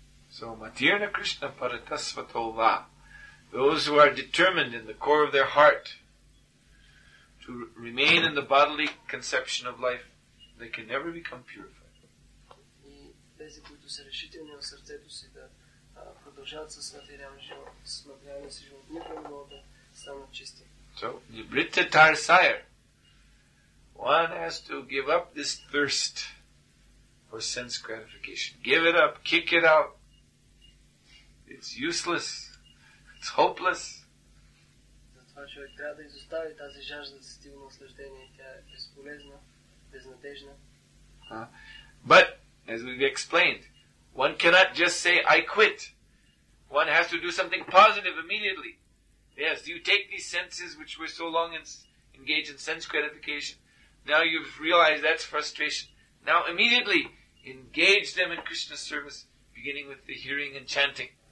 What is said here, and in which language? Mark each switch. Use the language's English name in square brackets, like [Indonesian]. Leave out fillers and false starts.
[English] So, Matirna Krishna Paratasvatova, those who are determined in the core of their heart to remain in the bodily conception of life, they can never become purified. [Bulgarian] И тези, които са решителни в сърцето си да продължават със материален живот, никога не могат да станат чисти. [English] So, Nibritta Tarsayar, one has to give up this thirst for sense gratification. Give it up, kick it out. It's useless. It's hopeless. [Bulgarian] Затова човек трябва да изостави тази жажда за сетивно наслаждение. Тя е безполезна, безнадежна. [English] But, as we've explained, one cannot just say, I quit. One has to do something positive immediately. Yes, you take these senses which were so long engaged in sense gratification. Now you've realized that's frustration. Now immediately engage them in Krishna's service, beginning with the hearing and chanting.